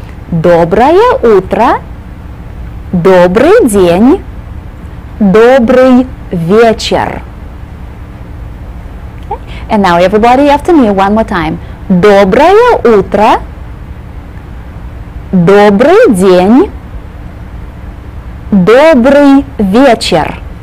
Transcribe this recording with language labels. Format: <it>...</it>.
<ru>Доброе утро, добрый день, добрый вечер.</ru> <en>And now everybody after me one more time.</en> <ru>Доброе утро, добрый день, добрый вечер.</ru>